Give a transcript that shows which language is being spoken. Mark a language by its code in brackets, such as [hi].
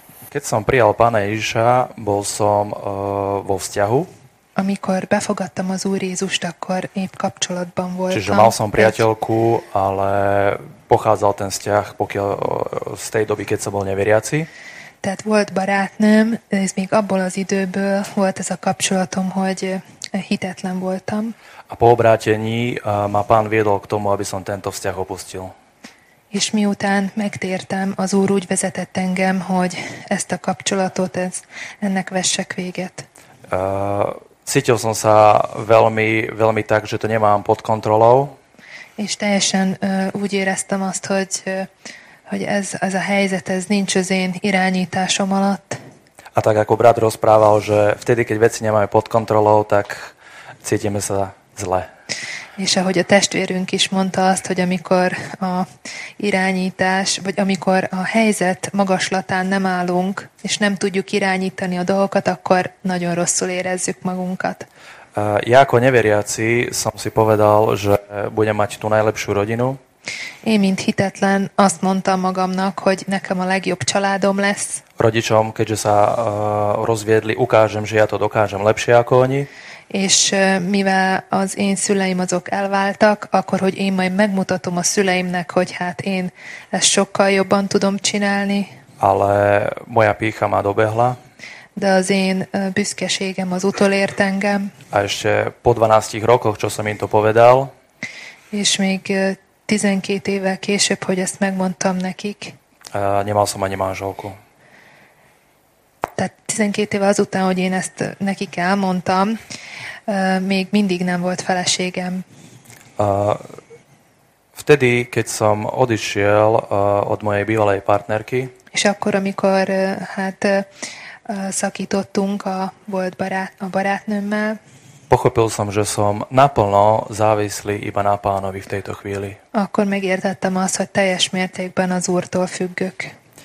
[sk] Keď som prijal Pána Ježiša, bol som vo vzťahu. [hu] Amikor befogadtam az Úr Jézust, akkor épp kapcsolatban voltam. [sk] Čiže mal som priateľku, ale pochádzal ten vzťah pokiaľ z tej doby, keď som bol neveriaci. [hu] Tehát volt barátnőm, ez még abból az időből volt ez a kapcsolatom, hogy hitetlen voltam. [sk] A po obrátení ma pán viedol k tomu, aby som tento vzťah opustil. [hu] És miután megtértem, az Úr úgy vezetett engem, hogy ezt a kapcsolatot, ennek vessek véget. [sk] Cítil som sa veľmi, veľmi tak, že to nemám pod kontrolou. [hu] És teljesen úgy éreztem azt, hogy, hogy ez a helyzet, ez nincs az én irányításom alatt. [sk] A tak ako brat rozprával, že vtedy, keď veci nemáme pod kontrolou, tak cítime sa zle. [hu] És ahogy a testvérünk is mondta azt, hogy amikor a irányítás, vagy amikor a helyzet magaslatán nem állunk, és nem tudjuk irányítani a dolgokat, akkor nagyon rosszul érezzük magunkat. [sk] Ja ako neveriaci som si povedal, že budem mať tú najlepšiu rodinu. [hu] Én, mint hitetlen, azt mondtam magamnak, hogy nekem a legjobb családom lesz. [sk] Rodičom, keďže sa rozviedli, ukážem, že ja to dokážem lepšie ako oni. [hu] És mivel az én szüleim azok elváltak, akkor hogy én majd megmutatom a szüleimnek, hogy hát én ezt sokkal jobban tudom csinálni. [sk] Ale moja pícha má dobehla. [hu] De az én büszkeségem az utolért engem. [sk] A ešte po 12 rokoch, čo som im to povedal. [hu] És még 12 évvel később, hogy ezt megmondtam nekik. [sk] Nemal som ani manželku. [hu] Tehát 12 éve azután, hogy én ezt nekik elmondtam, még mindig nem volt feleségem. [sk] Vtedy, keď som odišiel od mojej bývalej partnerky. [hu] És akkor, amikor hát szakítottunk a volt barátnőmmel. [sk] Pochopil som, že som naplno závislý iba na pánovi v tejto chvíli. [hu] Akkor megértettem azt, hogy teljes mértékben az úrtól függök.